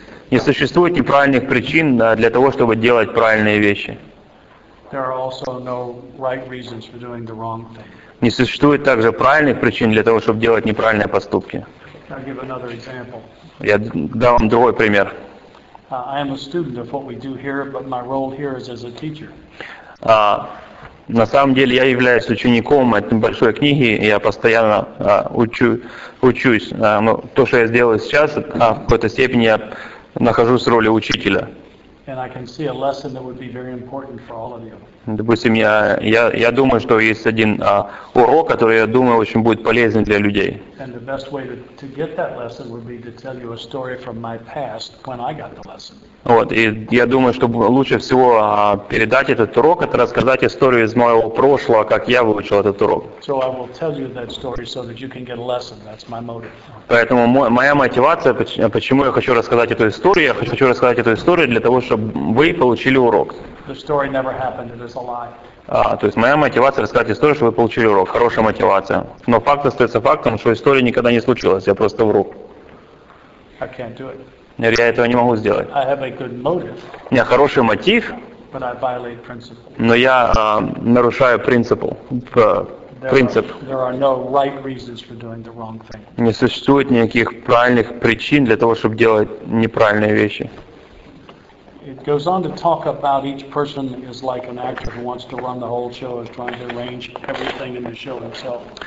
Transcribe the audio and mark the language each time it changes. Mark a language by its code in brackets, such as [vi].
[ru] Не существует неправильных причин для того, чтобы делать правильные вещи. [en] There are also no right reasons for doing the wrong thing. [ru] Не существует также правильных причин для того, чтобы делать неправильные поступки. [en] I'll give another example. [ru] Я дам вам другой пример. [en] I am a student of what we do here, but my role here is as a teacher. [ru] На самом деле я являюсь учеником этой большой книги, я постоянно учусь. Но то, что я сделал сейчас, в какой-то степени я нахожусь в роли учителя. [en] And I can see a lesson that would be very important for all of you. [ru] Допустим, я думаю, что есть один урок, который, я думаю, очень будет полезен для людей. [en] And the best way to get that lesson would be to tell you a story from my past when I got the lesson. [ru] Вот, и я думаю, что лучше всего передать этот урок, это рассказать историю из моего прошлого, как я выучил этот урок. [en] So I will tell you that story so that you can get a lesson. That's my motive. [ru] Поэтому моя мотивация, почему я хочу рассказать эту историю, я хочу рассказать эту историю для того, чтобы вы получили урок. [en] The story never happened, it is a lie. [ru] То есть моя мотивация рассказать историю, чтобы вы получили урок. Хорошая мотивация. Но факт остается фактом, что история никогда не случилась. Я просто вру. [en] I can't do it. [ru] Я этого не могу сделать. [en] I have a good motive, [ru] у меня хороший мотив, [en] but I violate principle. [ru] Но я нарушаю principle, принцип. [en] There are no right reasons for doing the wrong thing. [ru] Не существует никаких правильных причин для того, чтобы делать неправильные вещи. [en] It goes on to talk about each person is like an actor who wants to run the whole show, is trying to arrange everything in the show himself.